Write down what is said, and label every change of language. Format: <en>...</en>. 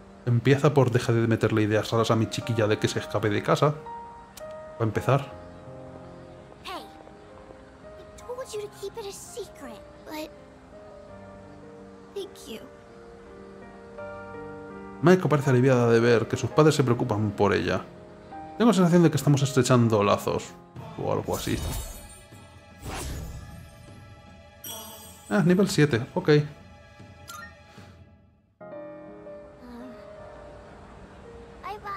<es>Empieza por dejar de meterle ideas raras a mi chiquilla de que se escape de casa. Va a empezar.</es> <en>Hey. I told you to keep it a secret, but thank you.</en> <es>Maiko parece aliviada de ver que sus padres se preocupan por ella. Tengo la sensación de que estamos estrechando lazos. O algo así. Ah, nivel 7. Ok.</es> <en>Bye bye.</en>